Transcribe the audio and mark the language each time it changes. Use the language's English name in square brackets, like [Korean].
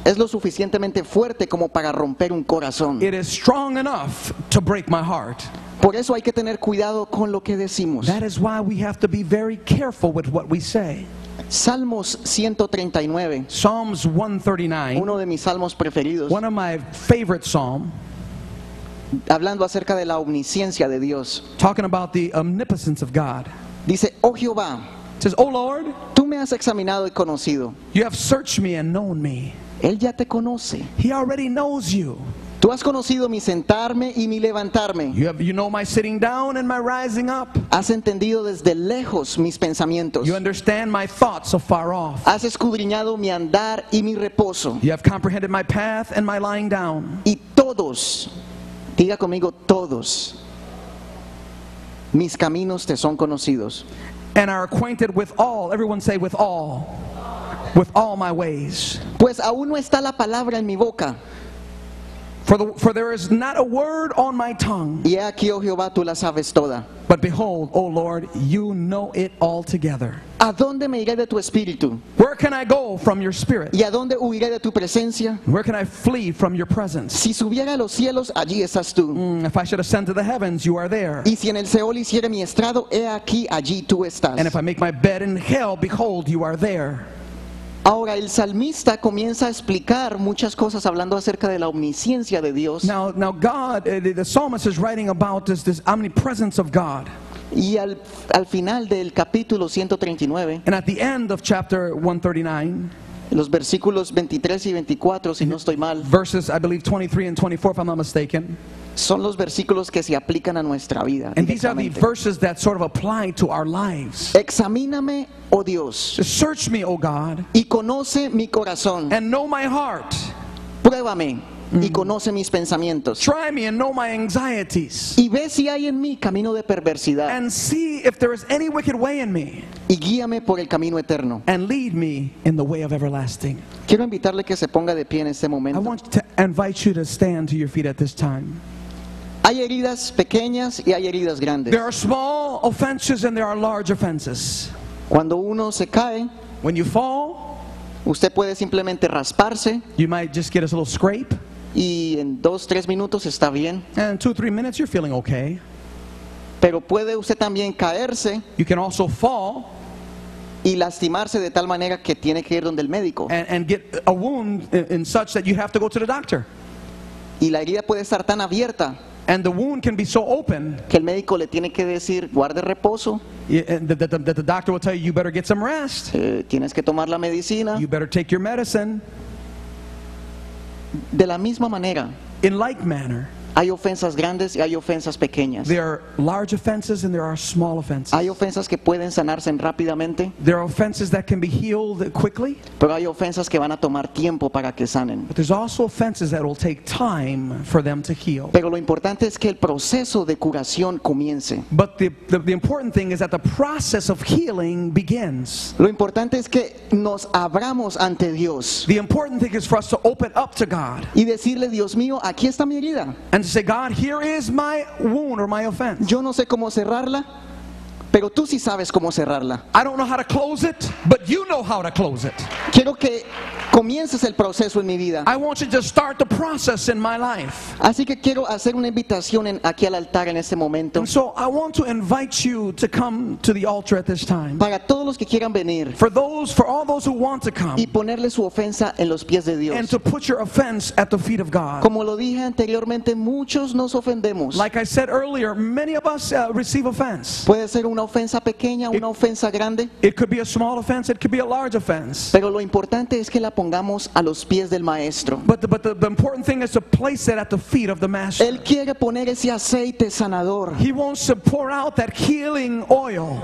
[Spanish] es lo suficientemente fuerte como para romper un corazón. [English] It is strong enough to break my heart. [Spanish] Por eso hay que tener cuidado con lo que decimos. [English] That is why we have to be very careful with what we say. [Spanish] Salmos 139. [English] Psalms 139. [Spanish] Uno de mis salmos preferidos. [English] One of my favorite psalms. [Spanish] Hablando acerca de la omnisciencia de Dios. [English] Talking about the omnipotence of God. [Spanish] Dice, oh Jehová, [English] it says, oh Lord, [Spanish] tú me has examinado y conocido. [English] You have searched me and known me. [Spanish] Él ya te conoce. [English] He already knows you. [Spanish] Tú has conocido mi sentarme y mi levantarme. [English] You know my sitting down and my rising up. [Spanish] Has entendido desde lejos mis pensamientos. [English] You understand my thoughts afar off. [Spanish] Has escudriñado mi andar y mi reposo. [English] You have comprehended my path and my lying down. [Spanish] Y todos, diga conmigo, todos mis caminos te son conocidos. [English] And are acquainted with all. Everyone say with all my ways. [Spanish] Pues aún no está la palabra en mi boca. [English] For there is not a word on my tongue. [Spanish] Y aquí, oh Jehová, tú la sabes toda. [English] But behold, oh Lord, you know it all together. [Spanish] ¿A dónde me iré de tu espíritu? [English] Where can I go from your spirit? [Spanish] ¿Y a dónde huiré de tu presencia? [English] Where can I flee from your presence? [Spanish] Si subiera a los cielos, allí estás tú. [English] If I should ascend to the heavens, you are there. [Spanish] Y si en el Seol hiciere mi estrado, he aquí, allí tú estás. [English] And if I make my bed in hell, behold, you are there. [Spanish] Ahora el salmista comienza a explicar muchas cosas hablando acerca de la omnisciencia de Dios. [English] Now God, the psalmist is writing about this omnipresence of God. [Spanish] Y al final del capítulo 139. [English] And at the end of chapter 139. [Spanish] Los versículos 23 y 24, si no estoy mal. [English] Verses, I believe, 23 and 24, if I'm not mistaken. [Spanish] Son los versículos que se aplican a nuestra vida. [English] And these are the verses that sort of apply to our lives. [Spanish] Examíname, oh Dios. [English] Search me, oh God. [Spanish] Y conoce mi corazón. [English] And know my heart. [Spanish] Pruébame. Y conoce mis pensamientos. [English] Try me and know my anxieties. [Spanish] Y ve si hay en mí camino de perversidad. [English] And see if there is any wicked way in me. [Spanish] Y guíame por el camino eterno. [English] And lead me in the way of everlasting. [Spanish] Quiero invitarle que se ponga de pie en este momento. [English] I want to invite you to stand to your feet at this time. [Spanish] Hay heridas pequeñas y hay heridas grandes. [English] There are small offenses and there are large offenses. [Spanish] Cuando uno se cae, [English] when you fall, [Spanish] usted puede simplemente rasparse. [English] You might just get a little scrape. [Spanish] Y en 2-3 minutos está bien. [English] And in 2-3 minutes you're feeling okay. [Spanish] Pero puede usted también caerse. [English] You can also fall. [Spanish] Y lastimarse de tal manera que tiene que ir donde el médico. [English] And get a wound in such that you have to go to the doctor. [Spanish] Y la herida puede estar tan abierta. [English] And the wound can be so open. [Spanish] Que el médico le tiene que decir, guarde reposo. [English] The doctor will tell you, you better get some rest. [Spanish] Tienes que tomar la medicina. [English] You better take your medicine. [Spanish] De la misma manera. [English] In like manner. [Spanish] Hay ofensas grandes y hay ofensas pequeñas. [English] There are large offenses and there are small offenses. [Spanish] Hay ofensas que pueden sanarse rápidamente. [English] There are offenses that can be healed quickly. [Spanish] Pero hay ofensas que van a tomar tiempo para que sanen. [English] But there's also offenses that will take time for them to heal. [Spanish] Pero lo importante es que el proceso de curación comience. [English] But the important thing is that the process of healing begins. [Spanish] Lo importante es que nos abramos ante Dios. [English] The important thing is for us to open up to God. [Spanish] Y decirle, Dios mío, aquí está mi herida. [English] And to say, God, here is my wound or my offense. [Spanish] Yo no sé cómo cerrarla. Pero tú sí sabes cómo cerrarla. [English] I don't know how to close it, but you know how to close it. [Spanish] Quiero que comiences el proceso en mi vida. [English] I want you to start the process in my life. [Spanish] Así que quiero hacer una invitación aquí al altar en este momento. [English] And so I want to invite you to come to the altar at this time. [Spanish] Para todos los que quieran venir. [English] For all those who want to come. [Spanish] Y ponerle su ofensa en los pies de Dios. [English] And to put your offense at the feet of God. [Spanish] Como lo dije anteriormente, muchos nos ofendemos. [English] Like I said earlier, many of us receive offense. [Spanish] Puede ser una ofensa pequeña, una ofensa grande. [English] It could be a small offense, it could be a large offense. [Spanish] Pero lo importante es que la pongamos a los pies del maestro. [English] But the important thing is to place it at the feet of the master. [Spanish] Él quiere poner ese aceite sanador. [English] He wants to pour out that healing oil.